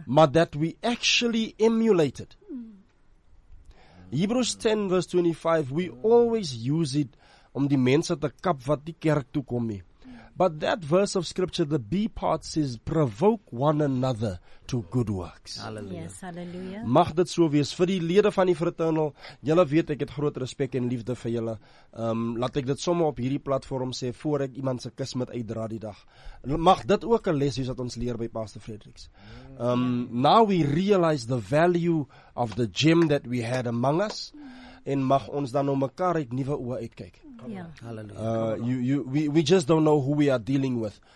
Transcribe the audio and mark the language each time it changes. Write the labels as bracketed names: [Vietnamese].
[English] maar that we actually emulate it. Hebrews 10 verse 25, we always use it [Afrikaans] om die mense te kap wat die kerk toe kom nie. [English] But that verse of scripture, the B part says, provoke one another to good works. Hallelujah. Yes, hallelujah. [Afrikaans] Mag dit so wees. Vir die lede van die fraternal, julle weet, ek het groot respect en liefde vir julle. Laat ek dit sommer op hierdie platform sê, voor ek iemand se kus met uitdra die dag. Mag dit ook een les wees wat ons leer by Pastor Fredericks. [English] Now we realize the value of the gem that we had among us. [Afrikaans] En mag ons dan om mekaar uit nuwe oë uitkyk. Ja. Hallelujah. [English] We just don't know who we are dealing with.